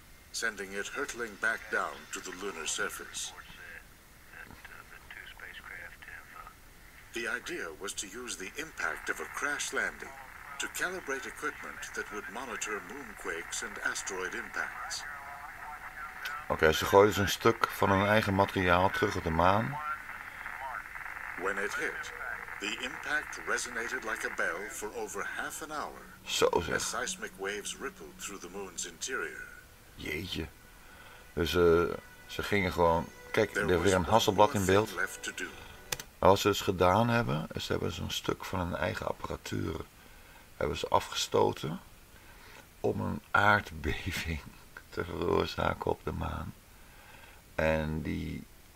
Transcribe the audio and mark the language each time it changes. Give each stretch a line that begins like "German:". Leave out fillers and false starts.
English: Sending it hurtling back down to the lunar surface. The idea was to use the impact of a crash landing to calibrate equipment that would monitor moonquakes and asteroid impacts.
Dutch: Oké, ze gooiden dus een stuk van hun eigen materiaal terug op de maan.
English: When it hit, the impact resonated like a bell for over half an hour.
Dutch: Zo zeg.
English: As seismic waves rippled through the moon's interior.
Dutch: Jeetje. Dus ze gingen gewoon... Kijk, er is weer een Hasselblad in beeld. Maar wat ze dus gedaan hebben... Ze hebben zo'n stuk van hun eigen apparatuur... Hebben ze afgestoten... Om een aardbeving te veroorzaken op de maan. En die...